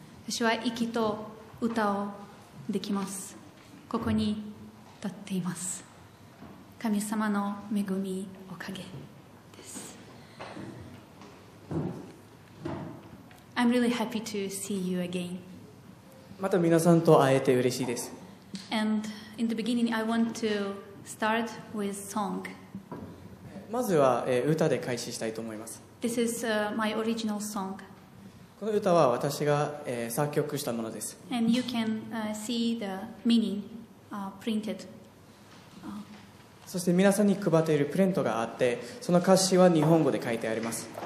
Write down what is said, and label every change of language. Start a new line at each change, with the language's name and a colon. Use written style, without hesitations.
Japanese: 私は息と歌をできます。ここに立っています。神様の恵みおかげです。
English: I'm really happy to see you again.
Japanese: また皆さんと会えて嬉しいです。
English: And in the beginning I want to start with song.
Japanese: まずは歌で開始したいと思います。
English: This is my original song.
Japanese: この歌は私が作曲したものです。
English: And you can see the meaning printed.
Japanese: そして皆さんに配っているプリントがあって、その歌詞は日本語で書いてあります。